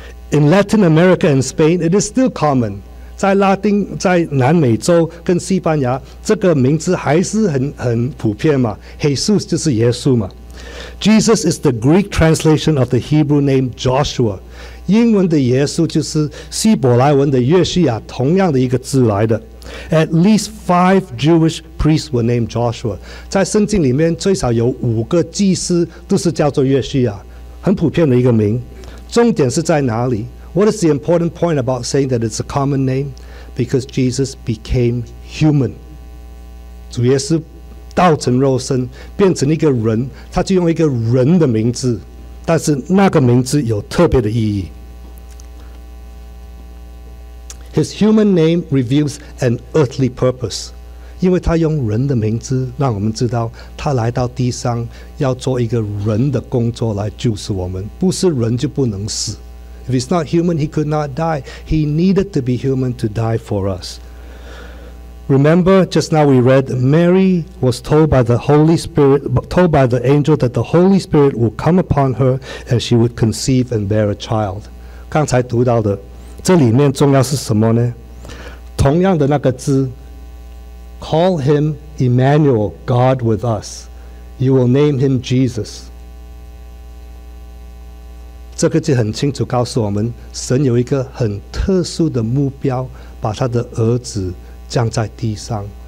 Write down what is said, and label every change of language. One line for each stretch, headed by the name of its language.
English: In Latin America and Spain, it is still common.
Chinese: 在拉丁，在南美洲跟西班牙，这个名字还是很普遍嘛。 Jesus 就是耶稣嘛。
English: Jesus is the Greek translation of the Hebrew name Joshua.
Chinese: 英文的耶稣就是希伯来文的约西亚，同样的一个字来的。
English: At least 5 Jewish priests were named Joshua.
Chinese: 在圣经里面最少有五个祭司都是叫做约西亚，很普遍的一个名。重点是在哪里？
English: What is the important point about saying that it's a common name? Because Jesus became human.
Chinese: 主耶稣道成肉身，变成一个人，他就用一个人的名字。但是那个名字有特别的意义。
English: His human name reveals an earthly purpose.
Chinese: 因为他用人的名字让我们知道他来到地上要做一个人的工作来救赎我们。不是人就不能死。
English: If he's not human, he could not die. He needed to be human to die for us. Remember, just now we read, Mary was told by the angel that the Holy Spirit would come upon her and she would conceive and bear a child.
Chinese: 刚才读到的，这里面重要是什么呢？同样的那个字
English: ，call him Emmanuel, God with us. You will name him Jesus.
Chinese: 这个就很清楚告诉我们，神有一个很特殊的目标，把他的儿子降在地上。